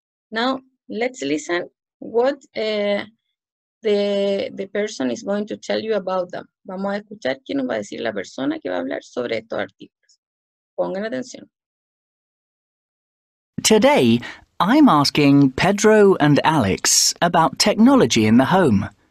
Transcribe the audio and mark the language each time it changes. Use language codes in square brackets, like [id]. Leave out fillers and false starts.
[en] Now, let's listen what the person is going to tell you about them. [es] Vamos a escuchar quién nos va a decir la persona que va a hablar sobre estos artículos. Pongan atención. [en] Today, I'm asking Pedro and Alex about technology in the home.